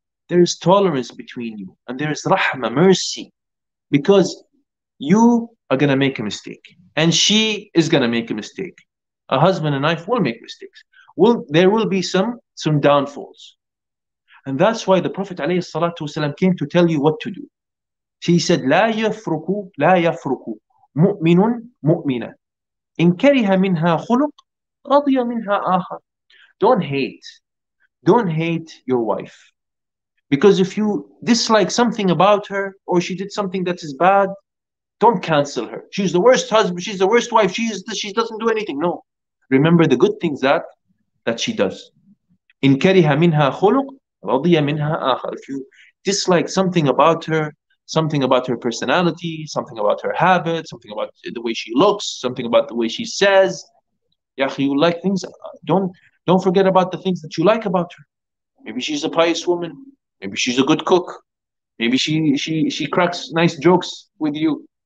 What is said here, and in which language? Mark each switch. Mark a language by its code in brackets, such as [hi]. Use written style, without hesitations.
[en] There is tolerance between you, and there is rahmah, mercy, because you are going to make a mistake, and she is going to make a mistake. A husband and wife will make mistakes. Well, there will be some downfalls. And that's why the Prophet عليه الصلاة والسلام came to tell you what to do. [ar] He said, لا يفرق لا يفرق مؤمن مؤمنة إن كره منها خلق رضي منها آخر. [en] Don't hate your wife. Because if you dislike something about her or she did something that is bad, don't cancel her. She's the worst husband. She's the worst wife. She doesn't do anything. No. Remember the good things that she does. [ar] إن كره منها خلق رضي منها آخر. [en] If you dislike something about her, something about her personality, something about her habits, something about the way she looks, something about the way she says, ya akhi, you like things, don't forget about the things that you like about her. Maybe she's a pious woman. Maybe she's a good cook. Maybe she cracks nice jokes with you.